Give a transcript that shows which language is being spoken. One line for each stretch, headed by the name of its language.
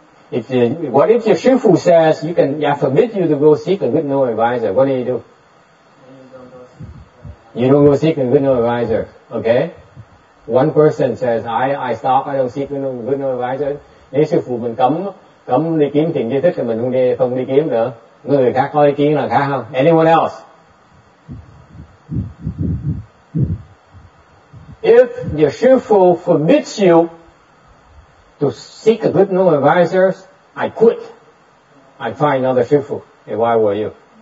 English: What if your shifu says you can, I forbid you to go seek a good new advisor? What do you do? You don't go seek a good new advisor, okay? One person says, I stop, I don't seek a good new advisor.
Vietnamese: Nếu sư phụ mình cấm đi kiếm thiện tri thức thì mình không đi kiếm nữa. Người khác có ý kiến là khác không?
English: Anyone else? If your shifu forbids you to seek a good new advisor, I quit. I find another shifu. Hey, why were you?